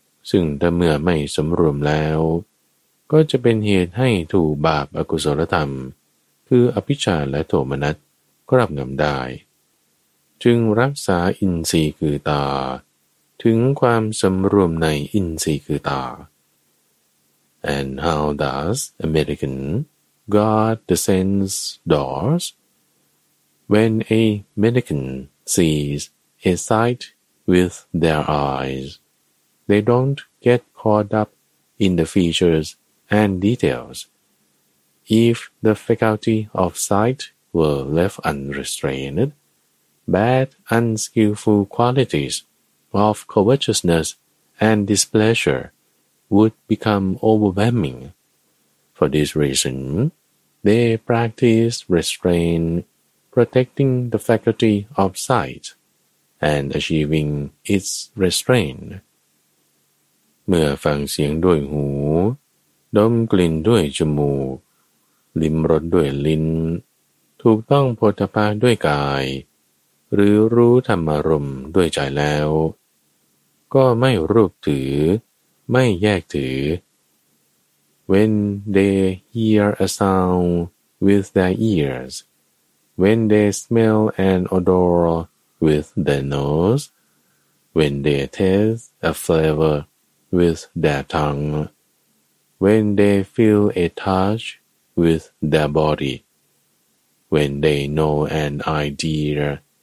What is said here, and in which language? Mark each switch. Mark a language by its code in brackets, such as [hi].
[th] ซึ่งถ้าเมื่อไม่สำรวมแล้วก็จะเป็นเหตุให้ถูกบาปอกุศลธรรมคืออภิชฌาและโทมนัสครอบงำได้จึงรักษาอินทรีย์คือตาถึงความสำรวมในอินทรีย์คือตา [en] And how does American guard the sense doors? When a mendicant sees a sight with their eyes, they don't get caught up in the features and details. If the faculty of sight were left unrestrained, bad unskillful qualities of covetousness and displeasure would become overwhelming. For this reason, they practice restraint. Protecting the faculty of sight and achieving its restraint. [th] เมื่อฟังเสียงด้วยหูดมกลิ่นด้วยจมูกลิ้มรสด้วยลิ้นถูกต้องโผฏฐัพพะด้วยกายหรือรู้ธรรมารมณ์ด้วยใจแล้ว ก็ไม่รูปถือไม่แยกถือ [en] When they hear a sound with their ears,When they smell and odor with their nose, when they taste a flavor with their tongue, when they feel a touch with their body, when they know an idea